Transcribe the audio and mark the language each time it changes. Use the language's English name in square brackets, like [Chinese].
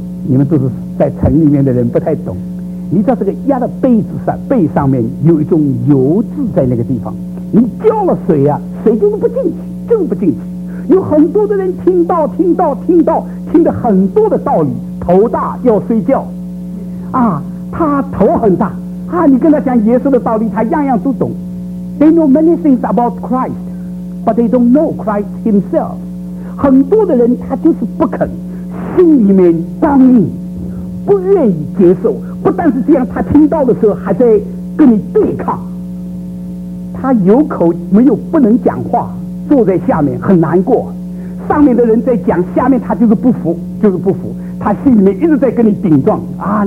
[Chinese] 你们都是在城里面的人，不太懂。你知道这个鸭的背子上，背上面有一种油渍在那个地方，你浇了水啊，水就是不进去，就是不进去。有很多的人听到听到听到听得很多的道理，头大要睡觉啊，他头很大啊，你跟他讲耶稣的道理他样样都懂。 [English] They know many things about Christ but they don't know Christ himself。 [Chinese] 很多的人他就是不肯，心里面刚硬，不愿意接受。不但是这样，他听到的时候还在跟你对抗，他有口没有，不能讲话，坐在下面很难过，上面的人在讲，下面他就是不服，就是不服，他心里面一直在跟你顶撞啊！